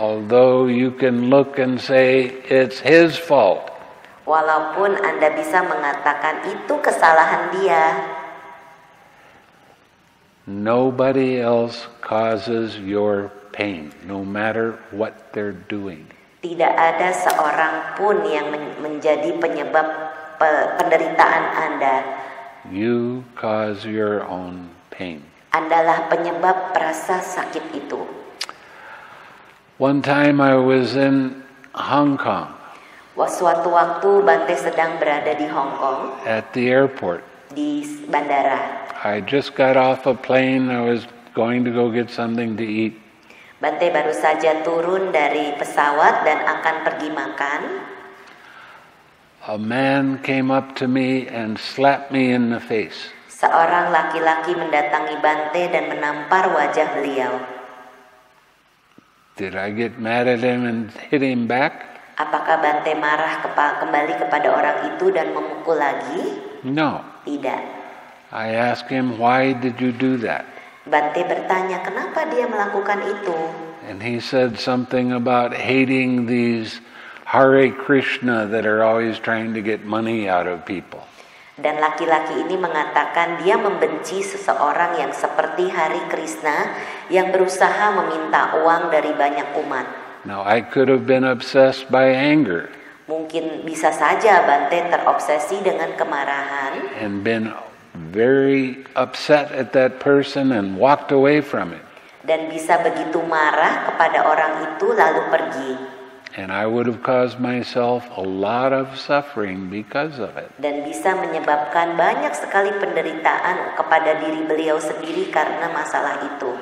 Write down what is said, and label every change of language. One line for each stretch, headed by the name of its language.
English: Although you can look and say it's his fault.
Indonesian: Walaupun Anda bisa mengatakan itu kesalahan dia.
English: Nobody else causes your pain, no matter what they're doing.
Indonesian: Tidak ada seorang pun yang menjadi penyebab penderitaan Anda.
English: You cause your own pain.
Indonesian: Andalah penyebab rasa sakit itu.
English: One time I was in Hong Kong.
Indonesian: Suatu waktu Bhante sedang berada di Hong Kong.
English: At the airport.
Indonesian: Di bandara.
English: I just got off a plane. I was going to go get something to eat.
Indonesian: Bhante baru saja turun dari pesawat dan akan pergi makan.
English: A man came up to me and slapped me in the face.
Indonesian: Seorang laki-laki mendatangi Bhante dan menampar wajah beliau.
English: Did I get mad at him and hit him back?
Indonesian: Apakah Bhante marah kembali kepada orang itu dan memukul lagi?
English: No.
Indonesian: Tidak.
English: I ask him, why did you do that?
Indonesian: Bhante bertanya, kenapa dia melakukan itu?
English: And he said something about hating these Hare Krishna that are always trying to get money out of people.
Indonesian: Dan laki-laki ini mengatakan dia membenci seseorang yang seperti Hare Krishna yang berusaha meminta uang dari banyak umat.
English: Now I could have been obsessed by anger.
Indonesian: Mungkin bisa saja Bhante terobsesi dengan kemarahan.
English: And been very upset at that person and walked away from it.
Indonesian: Dan bisa begitu marah kepada orang itu lalu pergi.
English: And I would have caused myself a lot of suffering because of it.
Indonesian: Dan bisa menyebabkan banyak sekali penderitaan kepada diri beliau sendiri karena masalah itu.